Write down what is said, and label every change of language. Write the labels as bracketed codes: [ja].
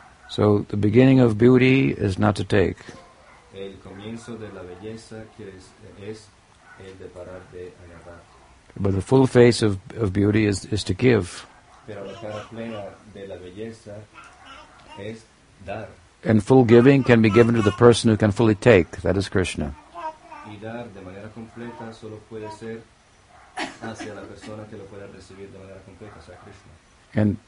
[en] So the beginning of beauty is not to take. [es] El comienzo de la belleza es el de parar de agarrar. [en] But the full face of beauty is to give. [es] Pero la cara plena de la belleza es dar. [en] And full giving can be given to the person who can fully take. That is Krishna. [es] Y dar de manera completa solo puede ser hacia la persona que lo pueda recibir de manera completa, o sea, Krishna.